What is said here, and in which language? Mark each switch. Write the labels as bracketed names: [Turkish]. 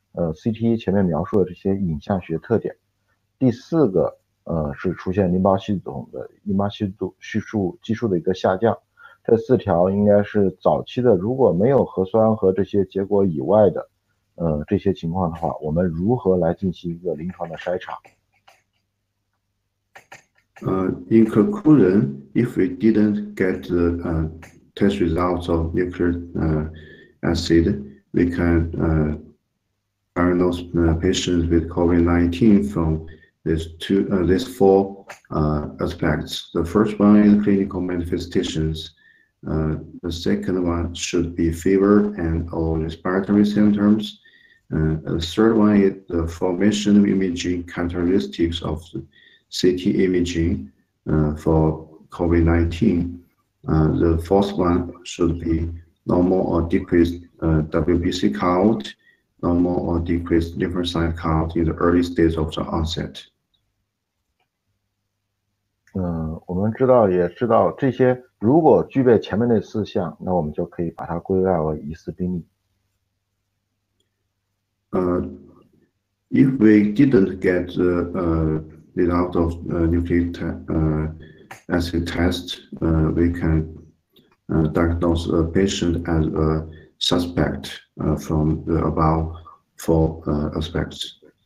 [Chinese] CT 前面描述的这些影像学特点。第四个是出现淋巴系统的淋巴系统叙述技术的一个下降。这四条应该是早期的，如果没有核酸和这些结果以外的这些情况的话，我们如何来进行一个临床的筛查。 [English] In conclusion, if we didn't get the test results of nucleic acid, we can diagnose patients with COVID-19 from these four aspects. The first one is clinical manifestations. The second one should be fever and all respiratory symptoms. The third one is the formation of imaging characteristics of the CT imaging for COVID-19. The fourth one should be normal or decreased WBC count, normal or decreased lymphocyte count in the early stage of the onset. [Chinese] 我们知道也知道这些如果具备前面的四项，那我们就可以把它归纳为疑似病例。 [English] If we didn't get the result of nucleic acid test, we can diagnose a patient as a suspect from the above four aspects.